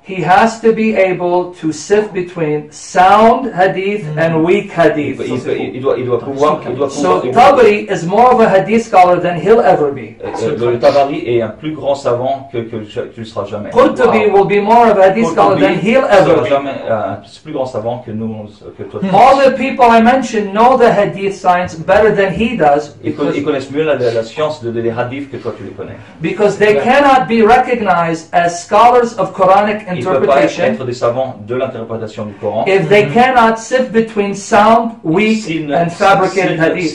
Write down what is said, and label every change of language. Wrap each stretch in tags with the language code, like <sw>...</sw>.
<en>he has to be able to sift between sound hadith and weak hadith. Tabari is more of a hadith scholar than he'll ever be.</en> <fr>Le Tabari est un plus grand savant que sera jamais.</fr> <en>Qutubi will be more of a hadith scholar than he'll ever be.</en> <fr>Jamais, plus grand savant que nous, que toi.</fr> <en>All the people I mentioned know the hadith science better than he does.</en> <fr>Ils connaissent mieux la science des hadiths que toi tu les connais.</fr> <en>Because they cannot be recognized as scholars of Quranic interpretation.</en> <fr>Ils ne peuvent pas être des savants de l'interprétation du Coran.</fr> <en>If they cannot sift between sound, weak, and fabricated hadiths.</en>